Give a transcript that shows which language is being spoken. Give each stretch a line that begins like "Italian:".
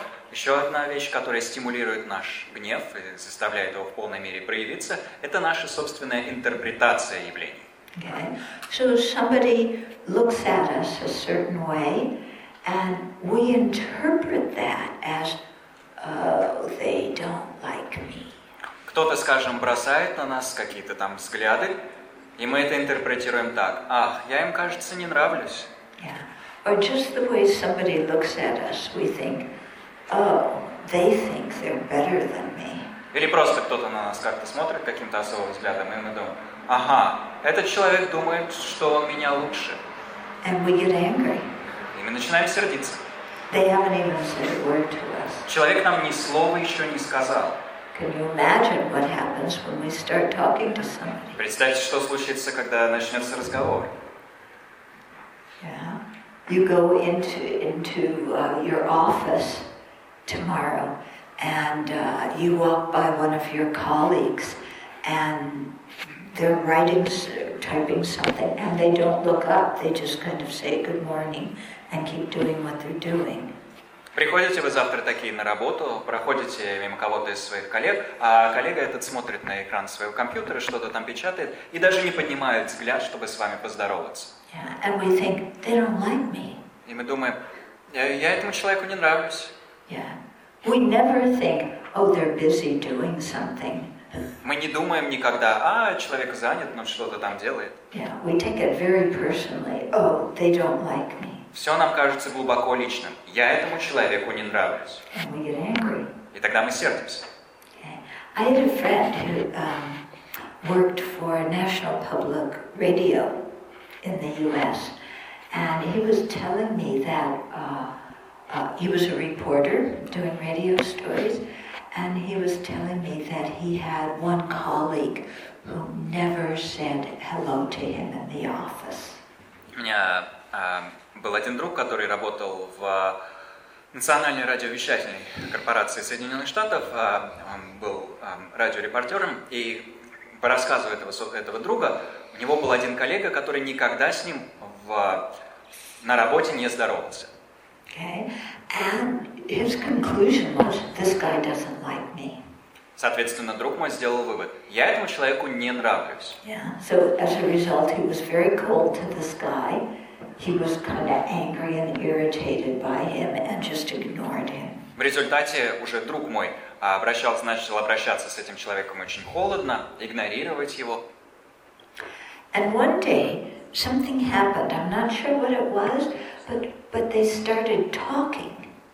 Russian: Еще одна вещь, которая стимулирует наш гнев и заставляет его в полной мере проявиться, это наша собственная интерпретация явлений.
English: Okay. So somebody looks at us a certain way, and we interpret that as, oh, they don't like me.
Russian: Кто-то, скажем, бросает на нас какие-то там взгляды, и мы это интерпретируем так: ах, я им, кажется, не нравлюсь.
English: Yeah. Or just the way somebody looks at us, we think, oh, they think they're better than me.
Russian: Или просто кто-то на нас как-то смотрит каким-то особым взглядом, и мы думаем, ага, этот человек думает, что он меня лучше.
English: And we get angry.
Russian: И мы начинаем сердиться.
English: They haven't even said a word to us.
Russian: Человек нам ни слова еще не сказал.
English: Can you imagine what happens when we start talking to somebody?
Russian: Представьте, что случится, когда начнется разговор.
English: Yeah. You go into your office tomorrow, and you walk by one of your colleagues, and they're typing something, and they don't look up, they just kind of say good morning and keep doing what they're doing.
Russian: Приходите вы завтра такие на работу, проходите мимо кого-то из своих коллег, а коллега этот смотрит на экран своего компьютера, что-то там печатает, и даже не поднимает взгляд, чтобы с вами поздороваться.
English: Yeah, and we think, they don't like me.
Russian: И мы думаем, я этому человеку не нравлюсь.
English: Yeah. We never think, oh, they're busy doing something.
Russian: Мы не думаем никогда, а, человек занят, но что-то там делает.
English: Yeah, we take it very personally. Oh, they don't like me.
Russian: Все нам кажется глубоко личным. Я этому человеку не нравлюсь.
English: And we get angry.
Russian: И тогда мы сердимся.
English: Okay. I had a friend who worked for National Public Radio in the US, and he was telling me that he was a reporter doing radio stories, and he was telling me that he had one colleague who never said hello to him in the office.
Russian: У меня был один друг, который работал в национальной радиовещательной корпорации Соединенных Штатов. Он был радиорепортером, и по рассказу этого друга, у него был один коллега, который никогда с ним в на работе не здоровался.
English: Okay. And his conclusion was, this guy doesn't like me.
Russian: Соответственно, друг мой сделал вывод: я этому человеку не нравлюсь.
English: Yeah. So as a result, he was very cold to this guy. He was kind of angry and irritated by him and just ignored him.
Russian: В результате уже друг мой обращался, начал обращаться с этим человеком очень холодно, игнорировать его.
English: And one day something happened. I'm not sure what it was, but they started talking.